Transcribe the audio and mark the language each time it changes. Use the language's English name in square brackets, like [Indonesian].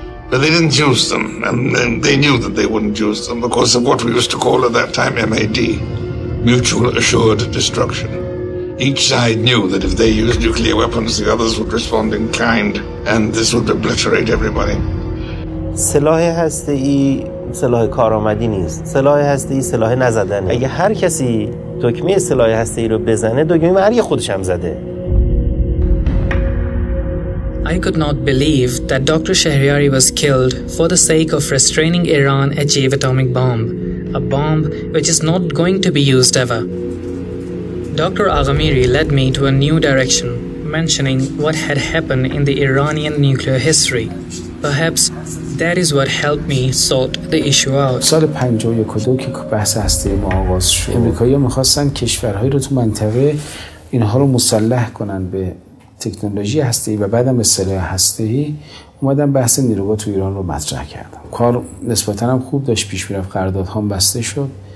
[English] But they didn't use them, and they knew that they wouldn't use them because of what we used to call at that time MAD, Mutual Assured Destruction. Each side knew that if they used nuclear weapons, the others would respond in kind, and this would obliterate everybody. [Persian] سلاح هسته‌ای سلاح کارآمدی نیست. سلاح هسته‌ای سلاح نزدنه. اگه هر کسی دکمه سلاح هسته‌ای رو بزنه، دکمه مرگ خودش هم زده. [English] I could not believe that Dr. Shahriari was killed for the sake of restraining Iran achieve atomic bomb, a bomb which is not going to be used ever. Dr. Aghamiri led me to a new direction, mentioning what had happened in the Iranian nuclear history. Perhaps that is what helped me sort the issue out. [Persian] سال 51 که بحث هسته ای آغاز شد، آمریکایی‌ها می‌خواستن کشورهای رو تو منطقه اینها رو مسلح کنن به تکنولوژی هسته‌ای و بعدم به سلاح هسته‌ای، اومدن بحث نیروگاه تو ایران رو مطرح کردن. کار نسبتاً هم خوب داشت پیش می‌رفت، قراردادها هم بسته شد.